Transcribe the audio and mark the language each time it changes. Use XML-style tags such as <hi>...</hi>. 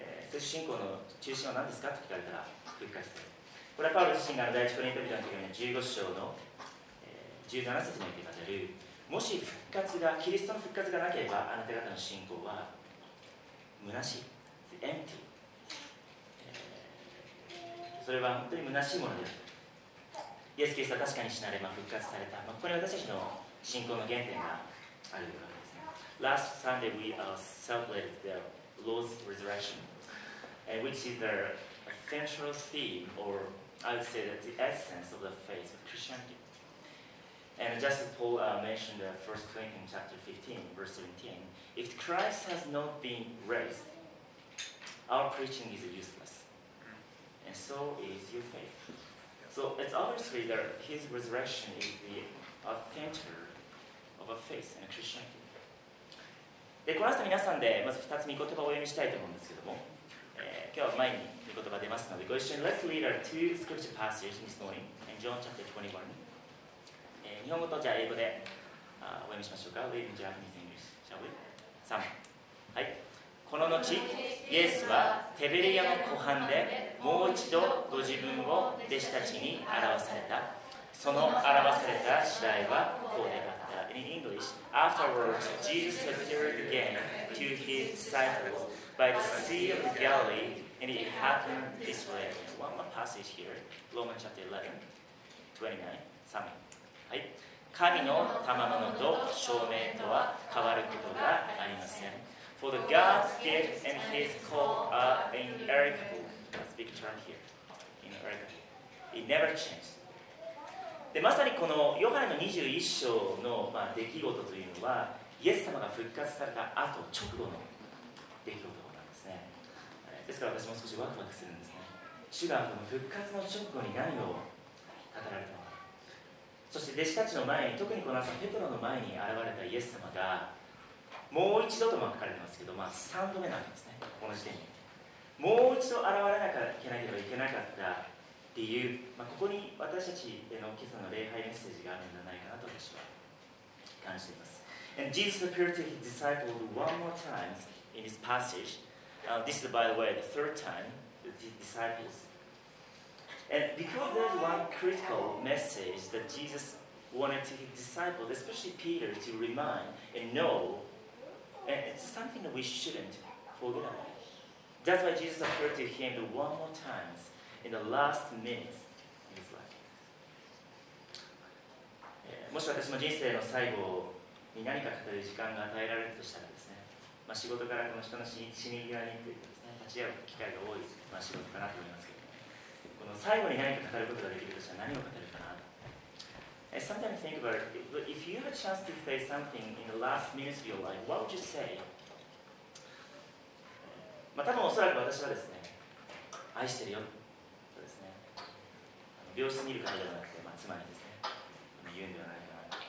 <ja>接種信仰の中心は何ですかと聞かれたら復活する。これはパウロ自身が第一コリントビトの時の15章の17節に書いてある、もし復活がキリストの復活がなければあなた方の信仰は虚しい、</ja> <en>empty、</en> <ja>それは本当に虚しいものである。イエス・キリストは確かに死なれ、復活された。ここに私たちの信仰の原点があるわけですね。</ja> <en>Last Sunday we celebrated the Lord's resurrectionwhich is the central theme, or I would say that the essence of the faith of Christianity. And just as Paul mentioned in 1 Corinthians chapter 15, verse 17, if Christ has not been raised, our preaching is useless. And so is your faith. So it's obviously that his resurrection is the center of a faith in Christianity.</en> <ja>で、この後皆さんでまず2つ御言葉をお読みしたいと思うんですけども、今日は前に御言葉が出ますので、ご一緒に</ja> <en>Let's read our two scripture passages this morning in John chapter 21.</en> <ja>日本語とじゃあ英語でお読みしましょうか。</ja> <en>Read in Japanese English, shall we?</en> <ja>3、はい、この後イエスはテベリアの湖畔でもう一度ご自分を弟子たちに表された。その表された次第はこうであった。</ja> <en>In English, afterwards Jesus appeared again to his disciples by the Sea of Galilee, and it happened this way. One more passage here, Romans chapter 11, 29,</en> <ja>神の賜物と証明とは変わることがありません。</ja> <en>For the God's gift and his call are inerrable. That's a big term here, inerrable. It never changes.</en> <ja>で、まさにこのヨハネの21章の、出来事というのは、イエス様が復活された後、直後の出来事。ですから私も少しワクワクするんですね。主がこの復活の直後に何を語られたのか、そして弟子たちの前に、特にこの朝ペトロの前に現れたイエス様がもう一度と書かれてますけど、3度目なんですね。この時点にもう一度現れなきゃいけなかった理由、ここに私たちへの今朝の礼拝メッセージがあるんじゃないかなと私は感じています。</ja> <en>And Jesus appeared to his disciples one more time in this passageThis is, by the way, the third time the disciples. And because there's one critical message that Jesus wanted to his disciples, especially Peter, to remind and know, and it's something that we shouldn't forget about. That's why Jesus appeared to him one more time in the last minutes in his life.</en> <ja>もし私も人生の最後に何か語る時間が与えられるとしたらですね、仕事からこの人の死に際にというかですね、立ち会う機会が多い、仕事かなと思いますけど、この最後に何か語ることができるとしたら何を語るかな。</ja> <en>Sometimes think about it, if you had a chance to say something in the last minutes of your life, what would you say?</en> <ja>多分おそらく私はですね、愛してるよとですね、病室にいる方ではなくて、妻にですね、言うんではないかな。</ja>